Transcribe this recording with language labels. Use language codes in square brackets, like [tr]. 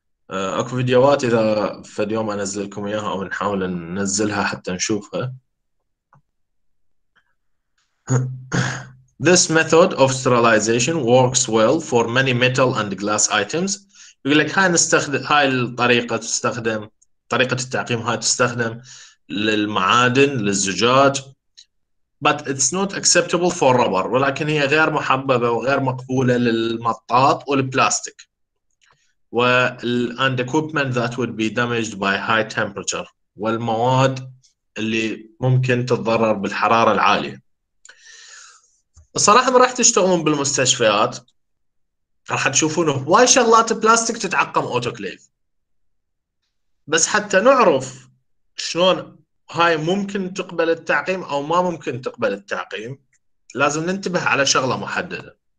[ar] أكو فيديوهات إذا في اليوم أنزل لكم إياها أو نحاول ننزلها حتى نشوفها. [en] This method of sterilization works well for many metal and glass items. [ar] يقول لك هاي نستخدم هاي الطريقة، تستخدم طريقة التعقيم هاي تستخدم للمعادن للزجاج. [en] But it's not acceptable for rubber. [ar] ولكن هي غير محببة وغير مقبولة للمطاط والبلاستيك. [en] And equipment that would be damaged by high temperature. [ar] والمواد اللي ممكن تتضرر بالحرارة العالية. الصراحة ما راح تشتغلون بالمستشفيات، راح تشوفون هواي شغلات بلاستيك تتعقم أوتوكليف. بس حتى نعرف شلون هاي ممكن تقبل التعقيم أو ما ممكن تقبل التعقيم، لازم ننتبه على شغلة محددة.